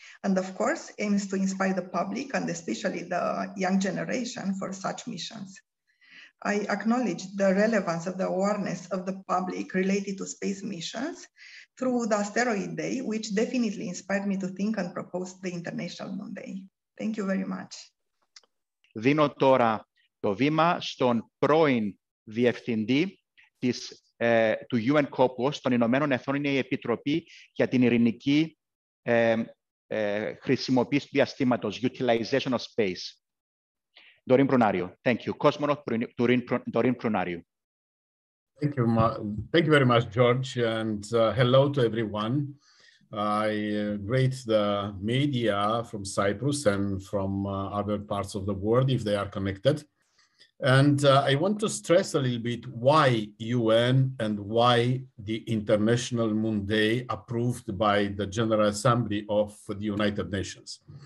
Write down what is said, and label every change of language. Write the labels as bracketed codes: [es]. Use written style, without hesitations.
[en] And of course, aims to inspire the public and especially the young generation for such missions. I acknowledge the relevance of the awareness of the public related to space missions through the Asteroid Day, which definitely inspired me to think and propose the International Moon Day. Thank you very much. [el] Δίνω τώρα το βήμα στον πρώην διευθυντή της του UN COPUS των Ηνωμένων Εθνών, είναι η Επιτροπή για την Ειρηνική Χρησιμοποίηση του Διαστήματος, [en] Utilization of Space. Dorin Prunario. Thank you. Cosmonaut Dorin Prunario. Thank you very much, George, and hello to everyone. I greet the media from Cyprus and from other parts of the world, if they are connected. And I want to stress a little bit why UN and why the International Moon Day approved by the General Assembly of the United Nations.